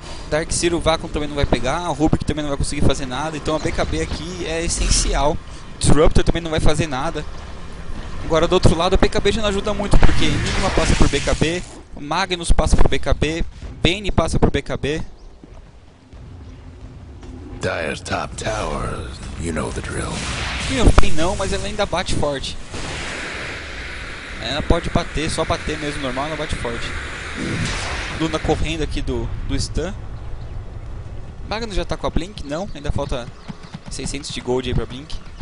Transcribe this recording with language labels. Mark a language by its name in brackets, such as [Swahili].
[Portuguese] Dark Seer, o Vacuum também não vai pegar, o Rubick também não vai conseguir fazer nada. Então a BKB aqui é essencial. Disruptor também não vai fazer nada. Agora do outro lado, a BKB já não ajuda muito, porque Enigma passa por BKB, Magnus passa por BKB, Bane passa por BKB. [English] Dyer's top tower, you know the drill. [Portuguese] Queen of Pain não, mas ela ainda bate forte. Ela pode bater, só bater mesmo, normal, ela bate forte. Luna correndo aqui do stun. Magnus já tá com a Blink? Não, ainda falta 600 de gold aí pra Blink.